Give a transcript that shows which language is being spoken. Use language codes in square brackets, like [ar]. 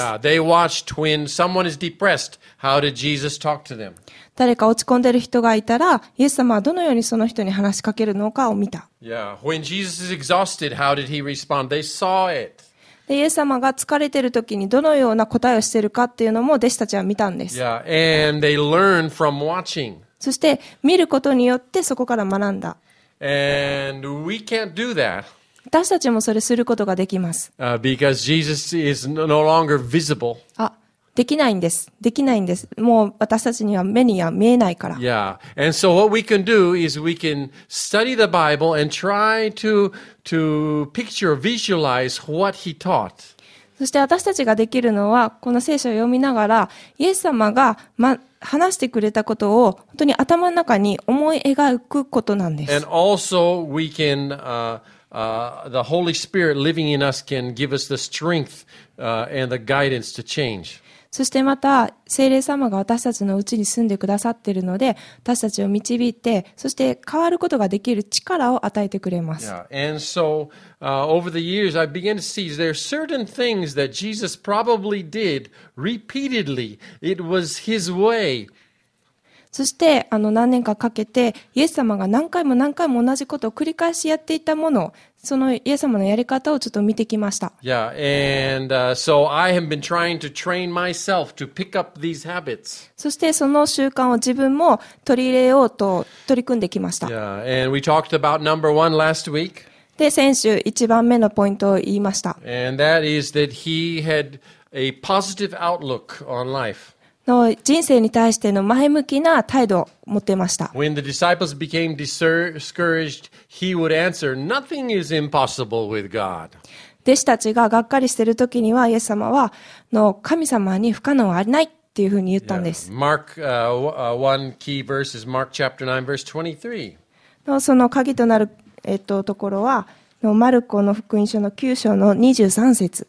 [en] Yeah, they watched when someone is depressed. How did Jesus talk to them? [ja] 誰か落ち込んでる人がいたら、イエス様はどのようにその人に話しかけるのかを見た。 [en] Yeah, when Jesus is exhausted, how did he respond? They saw it. [ja] でイエス様が疲れている時にどのような答えをしているかっていうのも弟子たちは見たんです。 [en] Yeah, and they learn from watching. [ja] そして見ることによってそこから学んだ。 [en] And we can't do that. [ja] 私たちもそれすることができます。 [en] Because Jesus is no longer visible. [ja] あ、できないんです。できないんです。もう私たちには目には見えないから。 [en] Yeah, and so what we can do is we can study the Bible and try to picture, visualize what he taught. [ja] そして私たちができるのは、この聖書を読みながら、イエス様が、話してくれたことを本当に頭の中に思い描くことなんです。 [en] And also we can, the Holy Spirit living in us can give us the strength, and the guidance to change. [ja] そしてまた聖霊様が私たちのうちに住んでくださっているので私たちを導いてそして変わることができる力を与えてくれます。 [en] Yeah. And so, over the years, I began to see there are certain things that Jesus probably did repeatedly. It was his way. [ja] そして何年かかけてイエス様が何回も何回も同じことを繰り返しやっていたものそのイエス様のやり方をちょっと見てきました。 [en] Yeah, and, so I have been trying to train myself to pick up these habits. [ja] そしてその習慣を自分も取り入れようと取り組んできました。 [en] Yeah, and we talked about number one last week. [ja] で、先週一番目のポイントを言いました。 [en] And that is that he had a positive outlook on life. [ja] の人生に対しての前向きな態度を持っていました。 [en] When the disciples became discouraged, he would answer, "Nothing is impossible with God." [ja] 弟子たちががっかりしているときには、イエス様は、の神様に不可能はないっていうふうに言ったんです。 [en] Yeah. Mark, one key verse is Mark chapter 9, verse 23. [ja] のその鍵となる、ところは、のマルコの福音書の9章の23節。